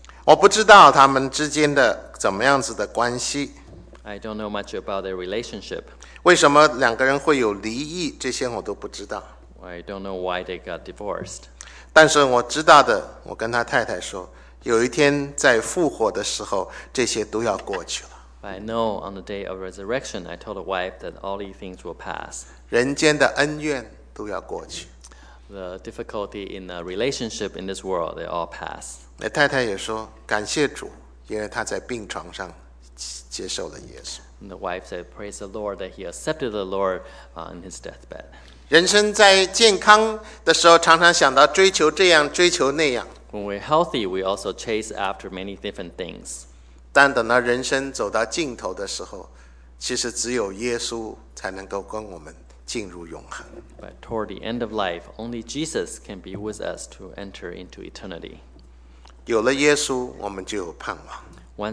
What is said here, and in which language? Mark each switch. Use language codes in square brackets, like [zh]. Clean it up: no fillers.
[zh] 我不知道他们之间的怎么样子的关系。 [en] I don't know much about their relationship. [zh] 为什么两个人会有离异，这些我都不知道。 [en] I don't know why they got divorced. [zh] 但是我知道的，我跟他太太说，有一天在复活的时候，这些都要过去了。 [en] I know on the day of resurrection, I told the wife that all these things will pass. [zh] 人间的恩怨都要过去。 [en] The difficulty in a relationship in this world, they all pass. [zh] 那太太也说，感谢主，因为他在病床上接受了耶稣。 [en] And the wife said, praise the Lord that he accepted the Lord on his deathbed. [zh] 人生在健康的时候，常常想到追求这样，追求那样。 [en] When we're healthy, we also chase after many different things. [zh] 但等到人生走到尽头的时候，其实只有耶稣才能够跟我们进入永恒。 [en] But toward the end of life, only Jesus can be with us to enter into eternity. [zh] 有了耶稣，我们就有盼望。